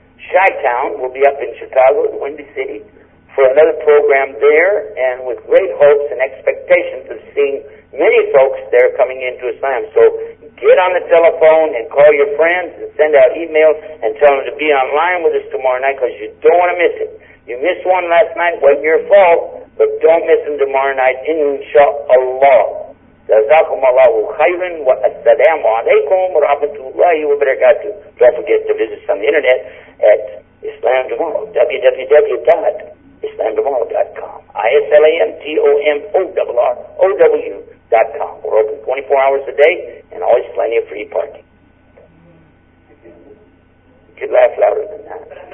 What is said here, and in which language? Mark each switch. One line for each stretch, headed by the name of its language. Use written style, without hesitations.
English: Chi-Town will be up in Chicago, the Windy City, for another program there, and with great hopes and expectations of seeing many folks there coming into Islam. So get on the telephone and call your friends and send out emails and tell them to be online with us tomorrow night, because you don't want to miss it. You missed one last night, wasn't your fault, but don't miss them tomorrow night, inshallah.
Arabic: جزاكم الله خيرا والسلام عليكم ورحمة الله وبركاته.
English: Don't forget to visit us on the internet at Islam Tomorrow, www.islamtomorrow.com. ISLAMTOMORROW.com. We're open 24 hours a day and always plenty of free parking. You could laugh louder than that.